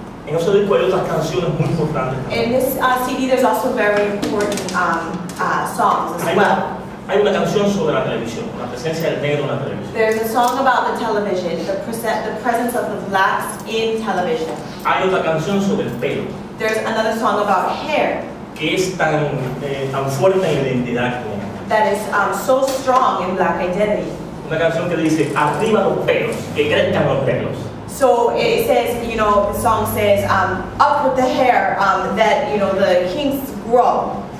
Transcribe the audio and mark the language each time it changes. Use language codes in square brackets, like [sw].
[es] En ese disco hay otras canciones muy importantes. [en] In this CD, there's also very important songs as well. [es] Hay una canción sobre la televisión, la presencia del negro en la televisión. [en] There's a song about the television, the presence of the blacks in television. [es] Hay otra canción sobre el pelo. [en] There's another song about hair. [es] Que es tan tan fuerte en identidad como. [en] That is so strong in black identity. [es] Una canción que dice arriba los pelos, que crezcan los pelos. [en] So it says, you know, the song says, up with the hair, that, you know, the kings grow.